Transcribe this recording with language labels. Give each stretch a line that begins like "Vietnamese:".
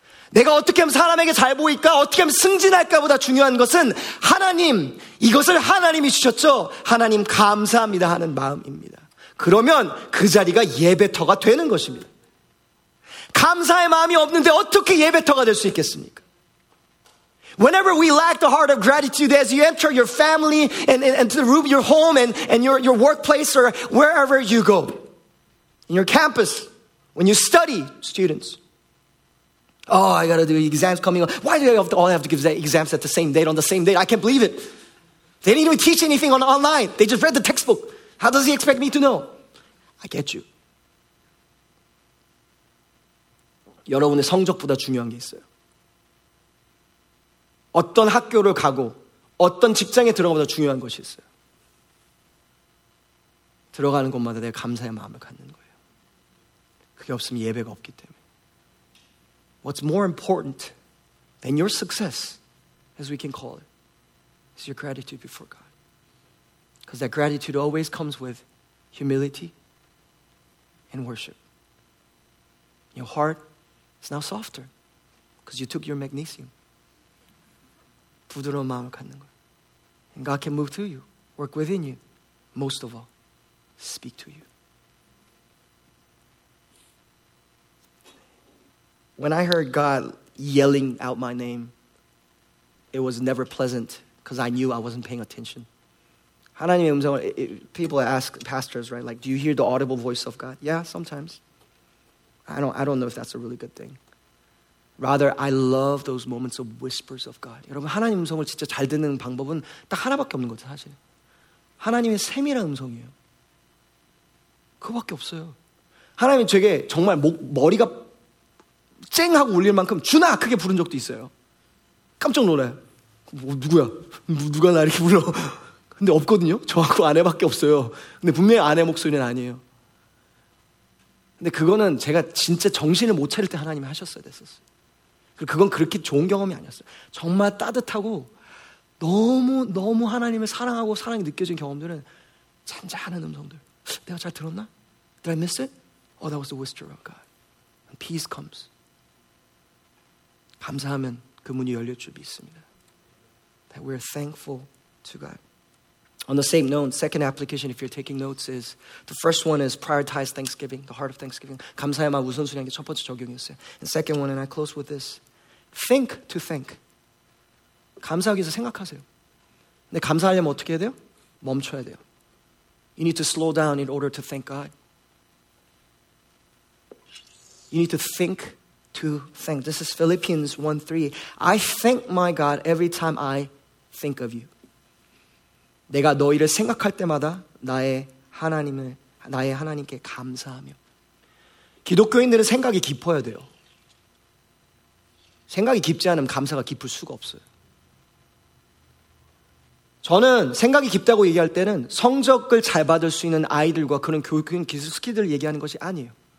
Korean: 내가 어떻게 하면 사람에게 잘 보일까, 어떻게 하면 승진할까보다 중요한 것은 하나님, 이것을 하나님이 주셨죠. 하나님 감사합니다 하는 마음입니다. 그러면 그 자리가 예배터가 되는 것입니다. 감사의 마음이 없는데 어떻게 예배터가 될 수 있겠습니까?
English: Whenever we lack the heart of gratitude as you enter your family and to the room, your home and your workplace or wherever you go, in your campus, when you study, students, oh, I got to do exams coming up. Why do I all have to give exams at the same date, on the same date? I can't believe it. They didn't even teach anything online. They just read the textbook. How does he expect me to know? I get you.
Korean: 여러분의 성적보다 중요한 게 있어요. 어떤 학교를 가고 어떤 직장에 들어가 보다 중요한 것이 있어요. 들어가는 곳마다 내가 감사의 마음을 갖는 거예요. 그게 없으면 예배가 없기 때문에.
English: What's more important than your success, as we can call it, is your gratitude before God. Because that gratitude always comes with humility and worship. Your heart is now softer because you took your magnesium.
Korean: 부드러운 마음을 갖는 거예요.
English: And God can move to you, work within you, most of all, speak to you. When I heard God yelling out my name, it was never pleasant because I knew I wasn't paying attention.
Korean: 하나님의 음성을,
English: people ask pastors, right? Like, do you hear the audible voice of God? Yeah, sometimes. I don't know if that's a really good thing. Rather, I love those moments of whispers of God.
Korean: 여러분, 하나님 음성을 진짜 잘 듣는 방법은 딱 하나밖에 없는 거죠, 사실. 하나님의 세밀한 음성이에요. 그거밖에 없어요. 하나님이 제게 정말 머리가 쨍하고 울릴 만큼 주나 크게 부른 적도 있어요. 깜짝 놀라요. 누구야? 누가 나 이렇게 불러? 근데 없거든요. 저하고 아내밖에 없어요. 근데 분명히 아내 목소리는 아니에요. 근데 그거는 제가 진짜 정신을 못 차릴 때 하나님이 하셨어야 됐었어요. 그건 그렇게 좋은 경험이 아니었어요. 정말 따뜻하고 너무너무 하나님을 사랑하고 사랑이 느껴진 경험들은 잔잔한 음성들. 내가 잘 들었나?
English: Did I miss it? Oh, that was the whisper of God. And peace comes.
Korean: 감사하면 그 문이 열릴 줄 믿습니다.
English: That we're thankful to God. On the same note, second application, if you're taking notes, is the first one is prioritize thanksgiving, the heart of thanksgiving.
Korean: 감사의 마음 우선순위한 게 첫 번째 적용이었어요.
English: And second one, and I close with this, think to think.
Korean: 감사하기 위해서 생각하세요. 근데 감사하려면 어떻게 해야 돼요? 멈춰야 돼요.
English: You need to slow down in order to thank God. You need to think to thank. This is Philippians 1:3. I thank my God every time I think of you.
Korean: 내가 너희를 생각할 때마다 나의 하나님께 감사하며. 기독교인들은 생각이 깊어야 돼요. 생각이 깊지 않으면 감사가 깊을 수가 없어요. 저는 생각이 깊다고 얘기할 때는 성적을 잘 받을 수 있는 아이들과 그런 교육적인 기술 스킬들을 얘기하는 것이 아니에요.